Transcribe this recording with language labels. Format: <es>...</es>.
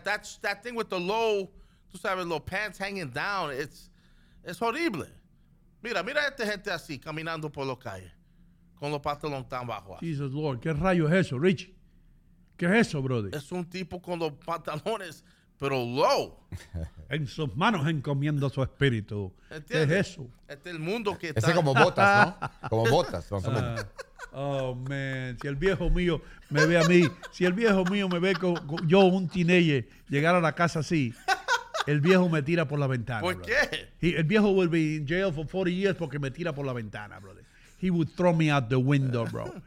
<en>That thing with the low,</en> <es>tú sabes, los</es> <en>pants hanging down, it's horrible.</en> <es>Mira a esta gente así, caminando por la calle, con los pantalones tan bajos. Jesus Lord, ¿qué rayo es eso, Rich? ¿Qué es eso, brother? Es un tipo con los pantalones, pero low. En sus manos encomiendo su espíritu. ¿Entiendes? ¿Qué es eso? Este es el mundo que está... Ese como botas, ¿no? Como botas, más o menos. Oh, man, si el viejo mío me ve a mí, si el viejo mío me ve con yo, un teenager, llegar a la casa así, el viejo me tira por la ventana. ¿Por qué? El viejo</es> <en>will be in jail for 40 years</en> <es>porque me tira por la ventana, brother.</es> <en>He would throw me out the window, bro.</en>